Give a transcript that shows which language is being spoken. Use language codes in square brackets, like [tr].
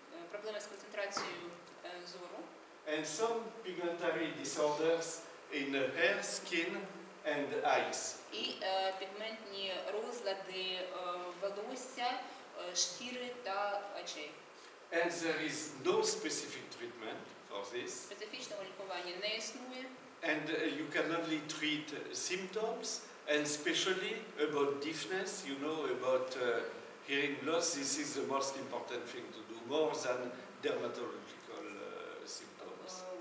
[uk] Проблеми з концентрацією зору. [en] And some pigmentary disorders in the hair, skin and eyes. [uk] І пігментні розлади волосся, шкіри та очей. [en] And there is no specific treatment for this. [uk] Специфічного лікування не існує. [en] And you can only treat symptoms, and especially about deafness, you know, about hearing loss, this is the most important thing to do, more than dermatological symptoms.